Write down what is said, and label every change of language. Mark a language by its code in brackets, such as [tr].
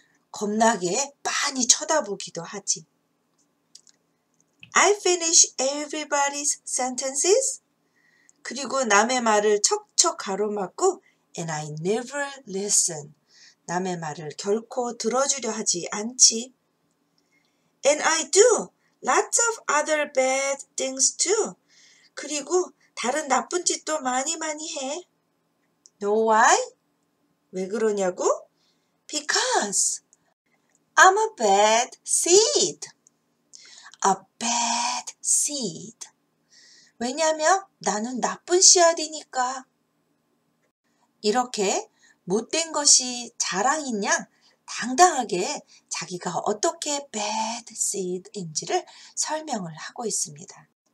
[ko] 겁나게 많이 쳐다보기도 하지. [en] I finish everybody's sentences. [ko] 그리고 남의 말을 척척 가로막고 [en] And I never listen. [ko] 남의 말을 결코 들어주려 하지 않지. [en] And I do lots of other bad things too. [ko] 그리고 다른 나쁜 짓도 많이 많이 해. [en] Know why? [ko] 왜 그러냐고? [en] Because I'm a bad seed. A bad seed. [ko] 왜냐면 나는 나쁜 씨앗이니까. 이렇게 못된 것이 자랑인 양 당당하게 자기가 어떻게 bad seed인지를 설명을 하고 있습니다.